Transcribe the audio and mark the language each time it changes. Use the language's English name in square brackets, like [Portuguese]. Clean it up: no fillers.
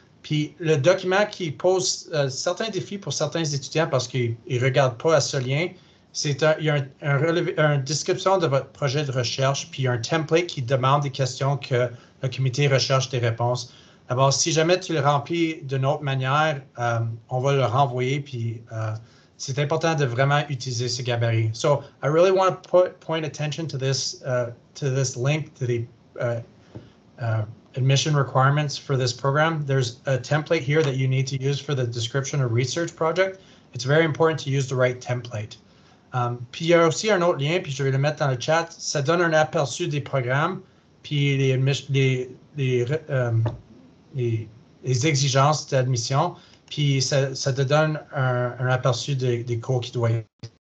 [French] Puis le document qui pose certains défis pour certains étudiants parce qu'ils ne regardent pas à ce lien, c'est une description de votre projet de recherche, puis un template qui demande des questions que le comité recherche des réponses. D'abord, si jamais tu le remplis d'une autre manière, on va le renvoyer, puis c'est important de vraiment utiliser ce gabarit. [English] So, I really want to point attention to this link, to the admission requirements for this program. There's a template here that you need to use for the description or research project. It's very important to use the right template. [French] Puis il y a aussi un autre lien, puis je vais le mettre dans le chat. Ça donne un aperçu des programmes, puis les exigences d'admission, puis ça te donne un aperçu des cours qui doivent être.